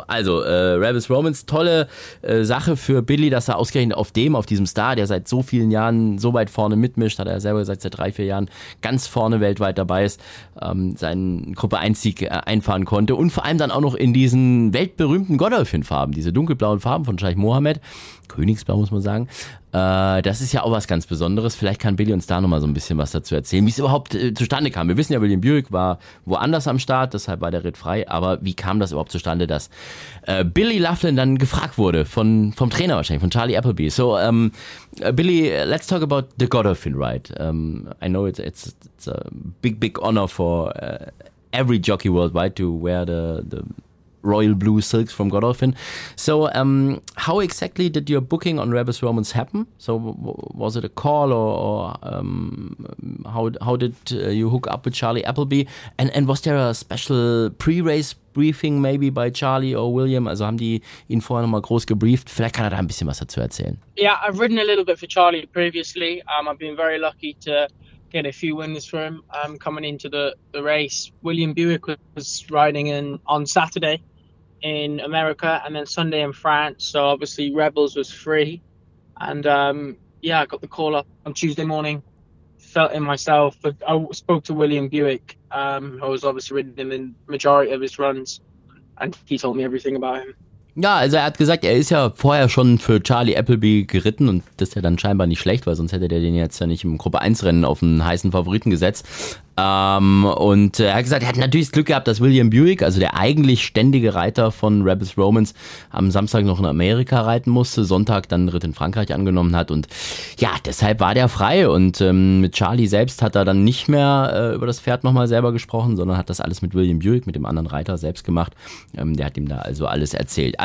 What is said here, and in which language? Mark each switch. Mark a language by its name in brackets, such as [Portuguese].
[German] Also Rebus Romans, tolle Sache für Billy, dass er ausgerechnet auf diesem Star, der seit so vielen Jahren so weit vorne mitmischt, hat er selber gesagt, seit 3-4 Jahren ganz vorne weltweit dabei ist, seinen Gruppe 1 Sieg einfahren konnte und vor allem dann auch noch in diesen weltberühmten Godolphin-Farben, diese dunkelblauen Farben von Scheich Mohammed, Königsblau muss man sagen. Das ist ja auch was ganz Besonderes. Vielleicht kann Billy uns da nochmal so ein bisschen was dazu erzählen, wie es überhaupt zustande kam. Wir wissen ja, William Buick war woanders am Start, deshalb war der Ritt frei. Aber wie kam das überhaupt zustande, dass Billy Laughlin dann gefragt wurde vom Trainer wahrscheinlich, von Charlie Appleby? [English] So, Billy, let's talk about the Godolphin ride. I know it's a big, big honor for every jockey worldwide to wear the royal blue silks from Godolphin. So how exactly did your booking on Rebus Romans happen? So was it a call or how did you hook up with Charlie Appleby? And was there a special pre-race briefing maybe by Charlie or William? [German] Also haben die ihn vorher nochmal groß gebrieft? Vielleicht kann er da ein bisschen was dazu erzählen. [English] Yeah, I've ridden a little bit for Charlie previously. I've been very lucky to get a few winners for him coming into the race. William Buick was riding on Saturday in America and then Sunday in France. So obviously Rebels was free. And I got the call up on Tuesday morning, felt in myself. But I spoke to William Buick, who was obviously ridden him in majority of his runs. And he told me everything about him. [German] Ja, also er hat gesagt, er ist ja vorher schon für Charlie Appleby geritten und das ist ja dann scheinbar nicht schlecht, weil sonst hätte der den jetzt ja nicht im Gruppe 1 Rennen auf einen heißen Favoriten gesetzt. Und er hat gesagt, er hat natürlich das Glück gehabt, dass William Buick, also der eigentlich ständige Reiter von Rebus Romans, am Samstag noch in Amerika reiten musste, Sonntag dann Ritt in Frankreich angenommen hat und ja, deshalb war der frei und mit Charlie selbst hat er dann nicht mehr über das Pferd nochmal selber gesprochen, sondern hat das alles mit William Buick, mit dem anderen Reiter selbst gemacht, der hat ihm da also alles erzählt.